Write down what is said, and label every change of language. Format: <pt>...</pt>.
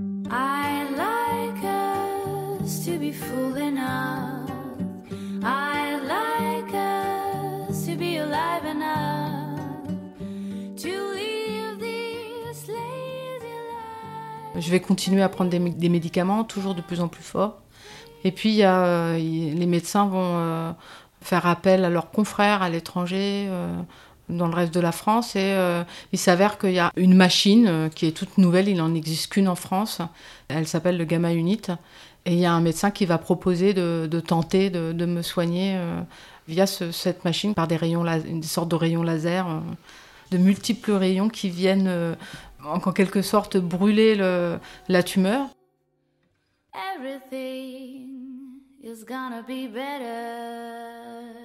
<en>I like us to be full enough. I like us to be alive enough to live this lazy life.</en> <fr>Je vais continuer à prendre des médicaments, toujours de plus en plus fort. Et puis les médecins vont faire appel à leurs confrères à l'étranger, dans le reste de la France, et il s'avère qu'il y a une machine qui est toute nouvelle, il n'en existe qu'une en France, elle s'appelle le Gamma Unit, et il y a un médecin qui va proposer de tenter de me soigner via cette machine, par des rayons, une sorte de rayon laser, de multiples rayons qui viennent en quelque sorte brûler la tumeur.</fr> <en>Everything is gonna be better.</en>